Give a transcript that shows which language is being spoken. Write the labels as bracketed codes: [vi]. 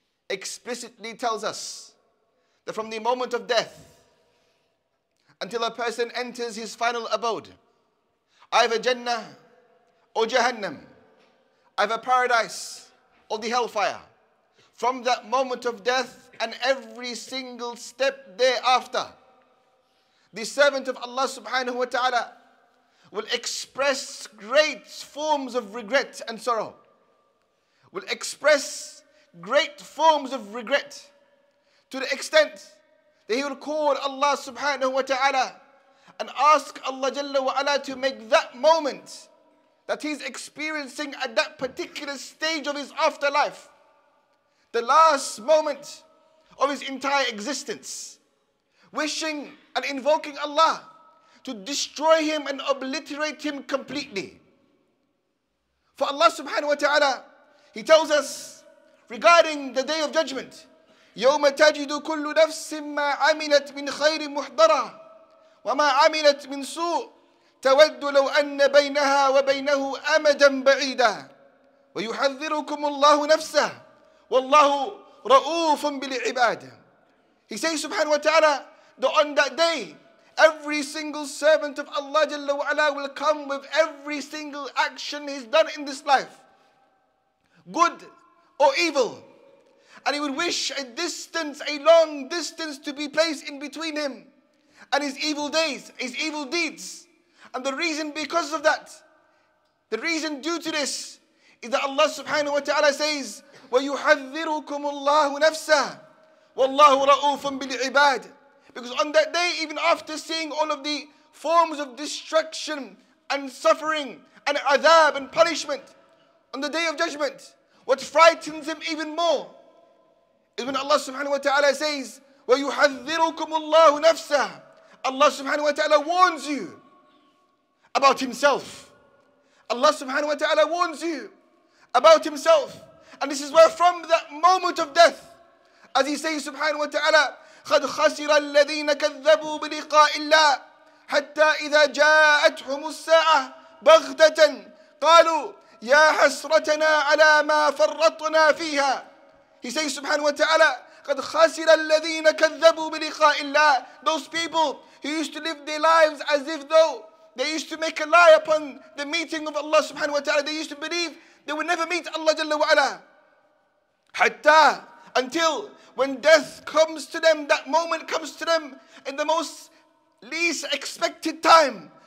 [en] explicitly tells us that from the moment of death until a person enters his final abode, either Jannah or Jahannam, either paradise or the hellfire, from that moment of death and every single step thereafter, the servant of Allah subhanahu wa ta'ala will express great forms of regret and sorrow. Will express great forms of regret to the extent that he will call Allah subhanahu wa ta'ala and ask Allah jalla wa ala to make that moment that he's experiencing at that particular stage of his afterlife, the last moment of his entire existence, wishing and invoking Allah to destroy him and obliterate him completely. For Allah subhanahu wa ta'ala, he tells us regarding the day of judgment, [ar] يَوْمَ تَجِدُ كُلُّ نَفْسٍ مَا عَمِلَتْ مِنْ خَيْرٍ مُحْضَرًا وَمَا عَمِلَتْ مِنْ سُوءٍ تَوَدُّ لَوْ أَنَّ بَيْنَهَا وَبَيْنَهُ أَمَدًا بَعِيدًا وَيُحَذِّرُكُمُ اللَّهُ نَفْسَهُ وَاللَّهُ رَؤُوفٌ بِالْعِبَادِ. [en] He says subhanahu wa ta'ala that on that day, every single servant of Allah Jalla wa Ala will come with every single action he's done in this life, good or evil. And he would wish a distance, a long distance to be placed in between him and his evil days, his evil deeds. And the reason because of that, the reason due to this, is that Allah subhanahu wa ta'ala says, [ar] وَيُحَذِّرُكُمُ اللَّهُ نَفْسَهُ وَاللَّهُ رَؤُوفٌ بِالْعِبَادِ. [en] Because on that day, even after seeing all of the forms of destruction and suffering and adab and punishment on the day of judgment, what frightens him even more is when Allah subhanahu wa ta'ala says, [ar] وَيُحَذِّرُكُمُ اللَّهُ نَفْسَهُ. [en] Allah subhanahu wa ta'ala warns you about himself. Allah subhanahu wa ta'ala warns you about himself. And this is where from that moment of death, as he says subhanahu wa ta'ala, [ar] قَدْ خَسِرَ الَّذِينَ كَذَّبُوا بِلِقَاءِ اللَّهِ حَتَّى إِذَا جَاءَتْهُمُ السَّاعَةُ بَغْتَةً قَالُوا يَا حَسْرَتَنَا عَلَى مَا فَرَّطْنَا فِيهَا. [en] He says subhanahu wa ta'ala, [ar] قَدْ خَسِرَ الَّذِينَ كَذَّبُوا بِلِقَاءِ اللَّهِ. [en] Those people who used to live their lives as if though they used to make a lie upon the meeting of Allah subhanahu wa ta'ala. They used to believe they would never meet Allah jalla wa ala. حَتَّى, until when death comes to them, that moment comes to them in the most least expected time.